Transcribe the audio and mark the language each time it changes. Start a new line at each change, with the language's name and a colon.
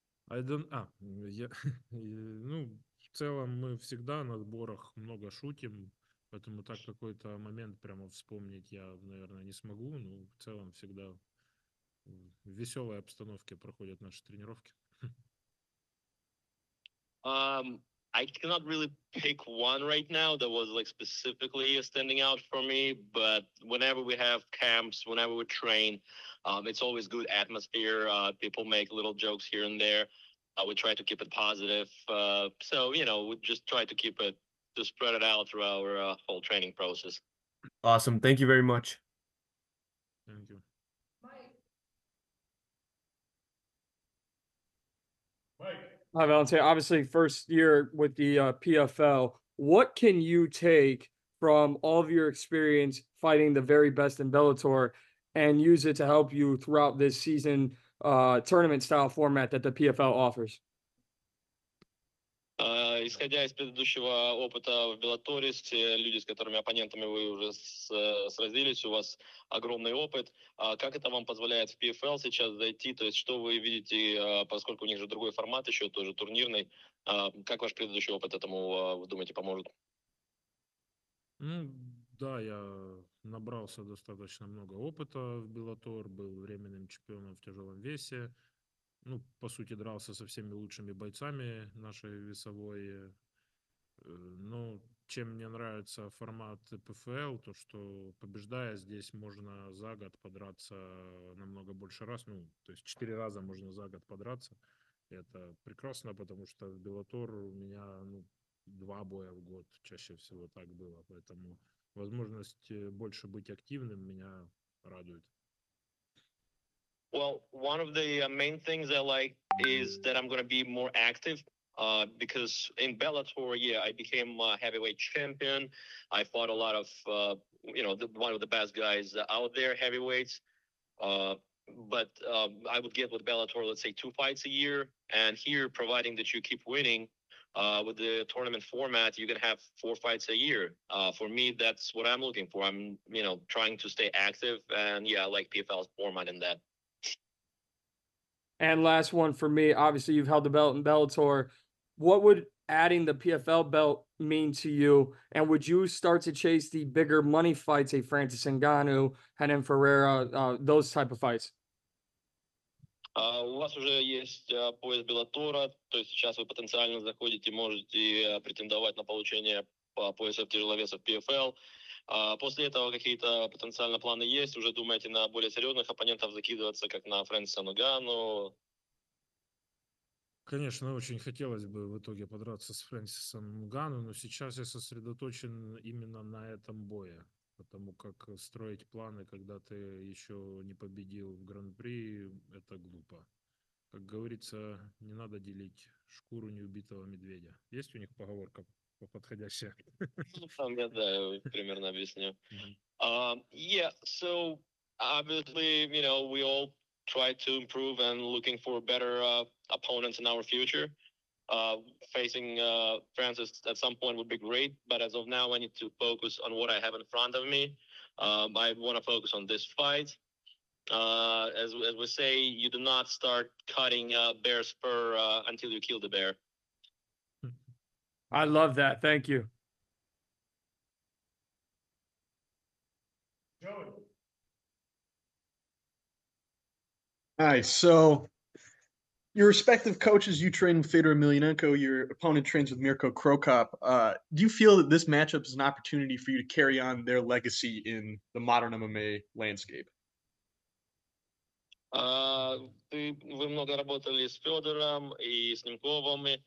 Russian: Ну, в целом мы всегда на отборах много шутим, поэтому так какой-то момент прямо вспомнить я, наверное, не смогу, но в целом всегда в веселой обстановке проходят наши тренировки.
English: I cannot really pick one right now that was like specifically standing out for me, but whenever we have camps, whenever we train, it's always good atmosphere. People make little jokes here and there. We try to keep it positive. We just try to keep it to spread it out through our whole training process. Awesome. Thank you very much. Thank you. Hi, Valentin. Obviously, first year with the PFL. What can you take from all of your experience fighting the very best in Bellator and use it to help you throughout this season tournament style format that the PFL offers?
Russian: Исходя из предыдущего опыта в Беллаторе, те люди, с которыми оппонентами вы уже сразились, у вас огромный опыт. Как это вам позволяет в PFL сейчас зайти? То есть, что вы видите, поскольку у них же другой формат, еще тоже турнирный, как ваш предыдущий опыт этому, вы думаете, поможет? Ну, да, я набрался достаточно много опыта в Беллатор, был временным чемпионом в тяжелом весе. Ну, по сути, дрался со всеми лучшими бойцами нашей весовой. Но, чем мне нравится формат PFL, то что побеждая здесь можно за год подраться намного больше раз, ну, то есть 4 раза можно за год подраться. Это прекрасно, потому что в Bellator у меня, ну, 2 боя в год чаще всего так было, поэтому возможность больше быть активным меня радует.
English: Well, one of the main things I like is that I'm going to be more active. Because in Bellator, yeah, I became a heavyweight champion. I fought a lot of, one of the best guys out there, heavyweights. But I would get with Bellator, let's say, 2 fights a year. And here, providing that you keep winning with the tournament format, you can have 4 fights a year. For me, that's what I'm looking for. I'm, you know, trying to stay active. And yeah, I like PFL's format in that. And last one for me, obviously you've held the belt in Bellator. What would adding the PFL belt mean to you? And would you start to chase the bigger money fights, a Francis Ngannou, Henan Ferreira, those type of fights?
Russian: У вас уже есть пояс Bellator'а, то есть сейчас вы потенциально заходите, можете претендовать на получение пояса тяжеловеса в PFL. После этого какие-то потенциально планы есть? Уже думаете на более серьезных оппонентов закидываться, как на Фрэнсиса Ногану? Конечно, очень хотелось бы в итоге подраться с Фрэнсисом Ногану, но сейчас я сосредоточен именно на этом бое. Потому как строить планы, когда ты еще не победил в Гран-при, это глупо. Как говорится, не надо делить шкуру неубитого медведя. Есть у них поговорка? Подходящее. Ну, там я, да, примерно объясню.
English: So obviously, you know, we all try to improve and looking for better opponents in our future. Facing Francis at some point would be great, but as of now, I need to focus on what I have in front of me. I want to focus on this fight. As we say, you do not start cutting bear's fur until you kill the bear. I love that. Thank you. Joey. All right. So your respective coaches, you train with Fedor Emelianenko. Your opponent trains with Mirko Krokop. Do you feel that this matchup is an opportunity for you to carry on their legacy in the modern MMA landscape?
Russian: Вы много работали с Федором и с Немковым.